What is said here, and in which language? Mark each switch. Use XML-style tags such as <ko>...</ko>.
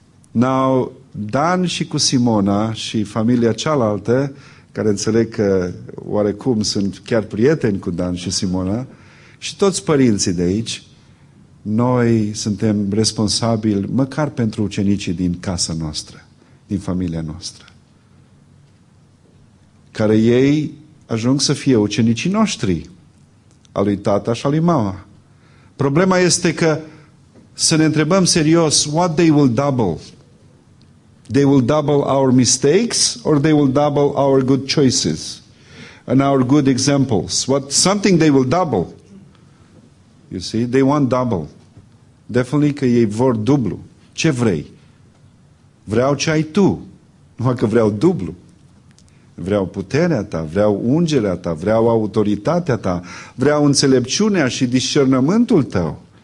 <ro>Now, Dan și cu Simona și familia cealaltă, care înțeleg că oarecum sunt chiar prieteni cu Dan și Simona, și toți părinții de aici, noi suntem responsabili măcar pentru ucenicii din casa noastră, din familia noastră, care ei ajung să fie ucenicii noștri, al lui tata și al lui mama. Problema este că să ne întrebăm serios,</ro> <en>what they will double? They will double our mistakes or they will double our good choices and our good examples? What, something they will double. You see, they want double.</en> <ro>Definitely că ei vor dublu. Ce vrei? Vreau ce ai tu. Numai că vreau dublu. Vreau puterea ta, vreau ungerea ta, vreau autoritatea ta, vreau înțelepciunea și discernământul tău.</ro>